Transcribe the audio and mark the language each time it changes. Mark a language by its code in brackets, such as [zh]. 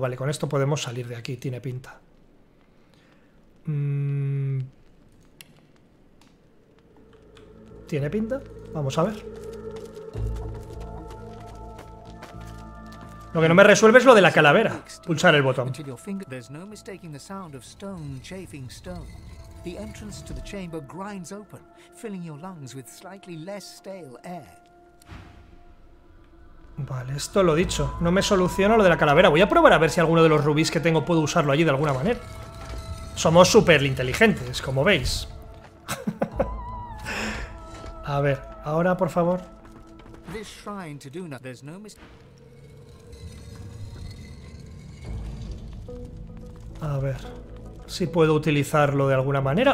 [es] Vale, con esto podemos salir de aquí, tiene pinta. ¿Tiene pinta? Vamos a ver. Lo que no me resuelve es lo de la calavera. Pulsar el botón. [en] There's no mistaking the sound of stone chafing stone. The entrance to the chamber grinds open, filling your lungs with slightly less stale air. [es] Vale, esto lo dicho. No me soluciona lo de la calavera. Voy a probar a ver si alguno de los rubíes que tengo puedo usarlo allí de alguna manera. Somos súper inteligentes, como veis. A ver, ahora por favor. [en] This shrine to Duna, there's no mis- [es] A ver si puedo utilizarlo de alguna manera.